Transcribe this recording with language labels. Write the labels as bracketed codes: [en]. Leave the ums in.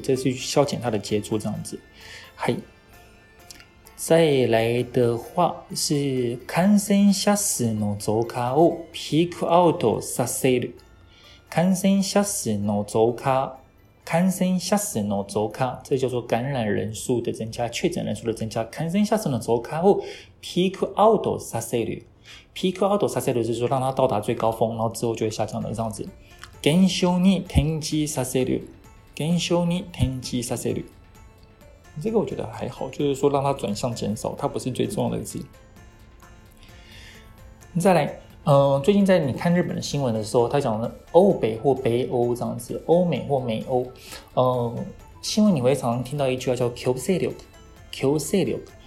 [zh] 这是消遣他的接触、这样子。 [ja] はい。 [zh] 再来的话是 [ja] 感染者数の増加をピークアウトさせる。感染者数の増加。感染者数の増加。 [zh] 这叫做感染人数的增加、确诊人数的增加。 [ja] 感染者数の増加をピークアウトさせる。ピー a アウトさせる [zh] 就是说让它到达最高峰，然后之后就会下降的这样子。 [ja] 減少に転じさせる、減少に転じさせる。 [zh] 这个我觉得还好，就是说让它转向减少，它不是最重要的事情。你再来，嗯，最近在你看日本的新闻的时候，他讲的欧北或北欧这样子，欧美或美欧，嗯，新闻你会常常听到一句话叫,叫“強制力”，強制力。